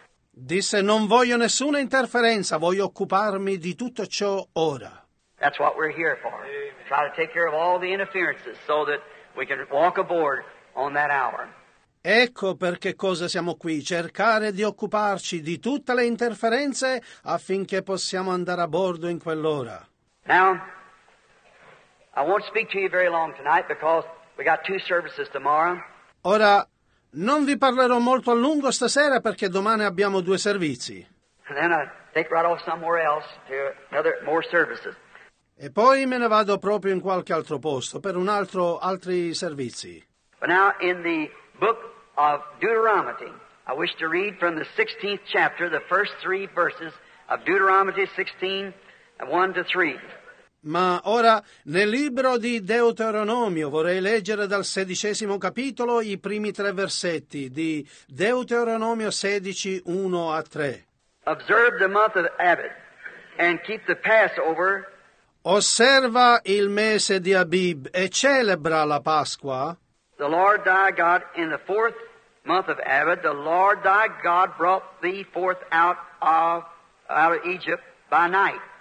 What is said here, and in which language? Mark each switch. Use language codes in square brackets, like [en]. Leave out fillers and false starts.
[it] Disse non voglio nessuna interferenza, voglio occuparmi di tutto ciò ora. [en] That's what we're here for. Try to take care of all the interferences so that we can walk aboard on that hour. [it] Ecco perché cosa siamo qui, cercare di occuparci di tutte le interferenze affinché possiamo andare a bordo in quell'ora. [en] Now, I won't speak to you very long tonight because we got two services tomorrow. [it] Ora, non vi parlerò molto a lungo stasera perché domani abbiamo due servizi. [en] And then I take right off somewhere else to another more services. [it] E poi me ne vado proprio in qualche altro posto per un altro altri servizi. [en] But now in the book of Deuteronomy, I wish to read from the 16th chapter, the first three verses of Deuteronomy 16:1-3. [it] Ma ora nel libro di Deuteronomio vorrei leggere dal 16° capitolo i primi tre versetti di Deuteronomio 16:1-3. [en] Observe the month of Abib and keep the Passover. [it] Osserva il mese di Abib e celebra la Pasqua. [en] The Lord thy God, in the fourth month of Abib, the Lord thy God brought thee forth out of Egypt by night.